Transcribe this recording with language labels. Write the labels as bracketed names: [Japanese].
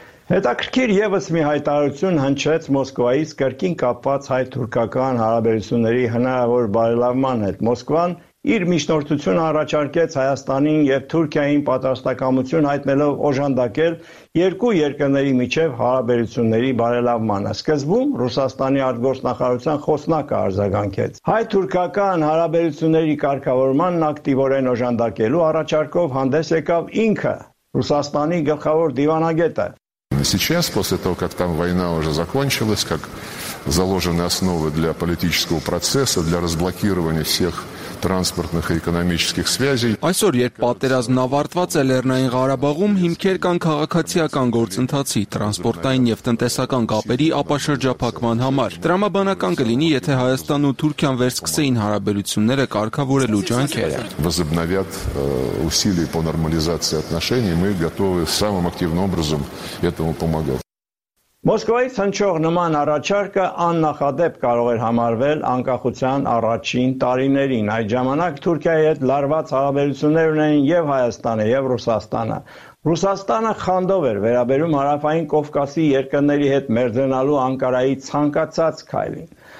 [Armenian] Հետաքրքիր եւս մի հայտարարություն հնչեց Մոսկվայից կրկին կապված հայ-թուրքական հարաբերությունների հնարավոր բարելավման հետ։ Մոսկվան իր միջնորդությունը առաջարկեց Հայաստանին եւ Թուրքիային պատրաստակամություն հայտնելով օժանդակել երկու երկրների միջև հարաբերությունների բարելավմանը։ Սկզբում Ռուսաստանի արտգործնախարարության խոսնակը արձագանքեց հայ-թուրքական հարաբերությունների կարգավորման ակտիվորեն օժանդակելու առաջարկով հանդես եկավ ինքը՝ Ռուսաստանի գլխավոր դիվանագետը։ [Russian] Сейчас, после того, как там война уже закончилась, как заложены основы для политического процесса, для разблокирования всех транспортных и экономических связей. [Armenian] Այսօր, երբ պատերազմն ավարտված է Լեռնային Ղարաբաղում, հիմքեր կան քաղաքացիական գործընթացի, տրանսպորտային եւ տնտեսական կապերի ապաշրջափակման համար։ Դրամաբանական կլինի, եթե Հայաստանն ու Թուրքիան վերսկսեին հարաբերությունները կարգավորելու ջանքերը։ [Russian] Возобновят усилия по нормализации отношений, мы готовы самым активным образом этому помогать. [Armenian] Մոսկվայից հնչող նման առաջարկը աննախադեպ կարող էր համարվել անկախության առաջին տարիներին։ Այդ ժամանակ Թուրքիայի հետ լարված հարաբերություններ ունեին և Հայաստանը, և Ռուսաստանը։ Ռուսաստանը խանդով էր վերաբերում Հարավային Կովկասի երկրների հետ մերձենալու Անկարայի ցանկացած քայլին։